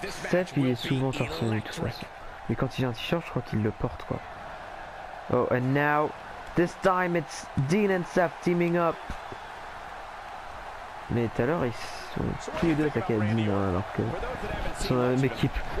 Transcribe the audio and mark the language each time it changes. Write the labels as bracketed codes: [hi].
[fr] Seth, il est souvent torse nu de toute façon. Mais quand il a un t-shirt, je crois qu'il le porte, quoi. [en] Oh, and now, this time it's Dean and Seth teaming up. [fr] Mais tout à l'heure, ils sont tous les deux attaqués à Dean, hein, alors que sont la même équipe.